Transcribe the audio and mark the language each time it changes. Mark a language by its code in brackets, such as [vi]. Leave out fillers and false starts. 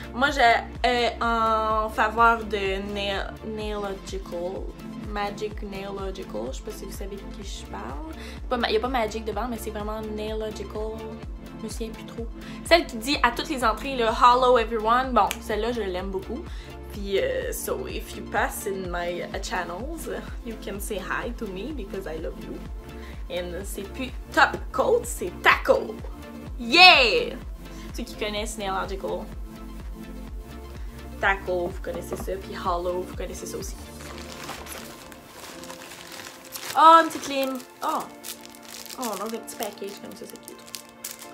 [fr] Moi, j'ai en faveur de Nailogical. Magic Nailogical. Je sais pas si vous savez de qui je parle. Il y a pas Magic devant, mais c'est vraiment Nailogical. Je me souviens plus trop. Celle qui dit à toutes les entrées, le [en] Hello Everyone. [fr] Bon, celle-là, je l'aime beaucoup. [en] Puis, so if you pass in my channels, you can say hi to me because I love you. [fr] And c'est plus Top Coat, c'est Taco. Yeah! Ceux qui connaissent Nailogical. Taco, vous connaissez ça. Puis Hello, vous connaissez ça aussi. Oh, une petite lime. Oh! Oh, on a des petits packages comme ça, c'est cute.